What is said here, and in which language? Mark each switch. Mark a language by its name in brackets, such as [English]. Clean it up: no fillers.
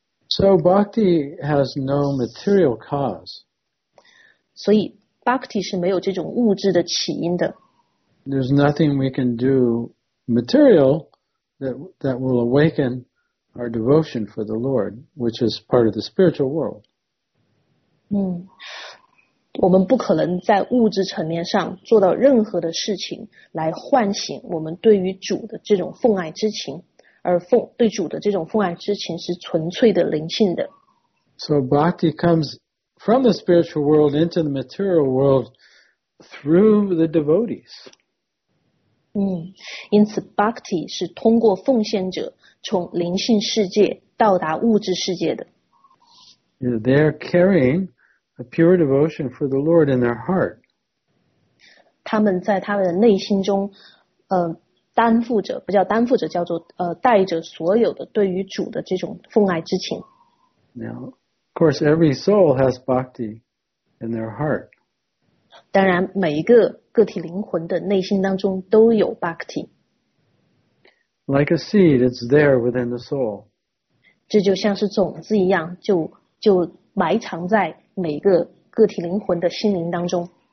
[English] So Bhakti has no material cause [Chinese] 所以 Bhakti 是没有这种物质的起因的 [English] There's nothing we can do material that will awaken our devotion for the Lord, which is part of the spiritual world. [Chinese] 我们不可能在物质层面上做到任何的事情来唤醒我们对于主的这种奉爱之情，而奉对主的这种奉爱之情是纯粹的灵性的。 [English] So bhakti comes from the spiritual world into the material world through the devotees. [Chinese] 因此 bhakti 是通过奉献者从灵性世界到达物质世界的。 [English] They're carrying a pure devotion for the Lord in their heart. [Chinese] 他们在他们的内心中，担负着，不叫担负着，叫做带着所有的对于主的这种奉爱之情。 [English] Now, of course, every soul has bhakti in their heart. [Chinese] 当然，每一个个体灵魂的内心当中都有 bhakti。 [English] Like a seed, it's there within the soul. [Chinese] 这就像是种子一样，就埋藏在每个个体灵魂的心灵当中。